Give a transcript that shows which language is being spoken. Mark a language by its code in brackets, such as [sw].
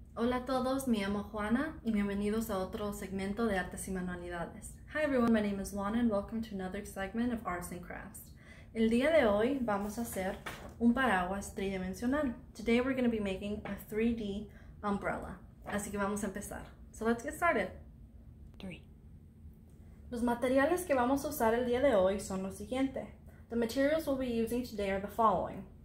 [es] Hola a todos, me llamo Juana y bienvenidos a otro segmento de Artes y Manualidades. [en] Hi everyone, my name is Juana and welcome to another segment of Arts and Crafts. [es] El día de hoy vamos a hacer un paraguas tridimensional. [en] Today we're going to be making a 3D umbrella. [es] Así que vamos a empezar. [en] So let's get started. [es] Los materiales que vamos a usar el día de hoy son los siguientes. [en] The materials we'll be using today are the following.